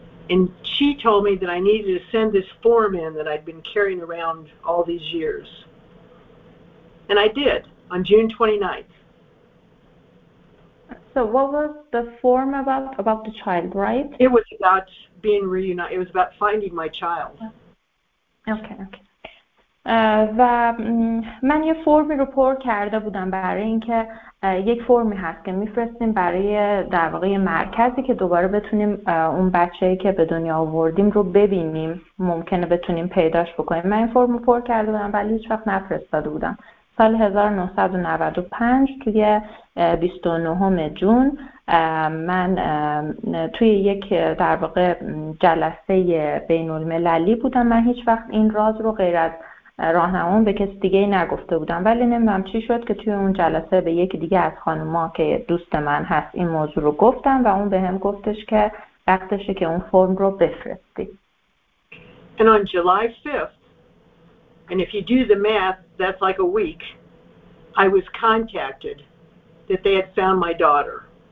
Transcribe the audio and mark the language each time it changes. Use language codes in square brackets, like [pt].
[en] And she told me that I needed to send this form in that I'd been carrying around all these years. And I did, on June 29th. So what was the form about the child, right? It was about being reunited. It was about finding my child. Okay, okay. [fa] و من یه فرمی رو پر کرده بودم برای اینکه یک فرمی هست که میفرستیم برای در واقع مرکزی که دوباره بتونیم اون بچه‌ای که به دنیا آوردیم رو ببینیم، ممکنه بتونیم پیداش بکنیم. من این فرم رو پر کرده بودم ولی هیچ وقت نفرستاده بودم. سال 1995 توی 29 جون من توی یک در واقع جلسه بین المللی بودم. من هیچ وقت این راز رو غیر از راهنمام به کسی دیگه نگفته بودم، ولی نمیدونم چی شد که توی اون جلسه به یکی دیگه از خانوما که دوست من هست این موضوع رو گفتم و اون به هم گفتش که وقتشه که اون فرم رو بفرستی. [en] And on July 5th, and if you do the math, that's like a week, I was contacted that they had found my daughter.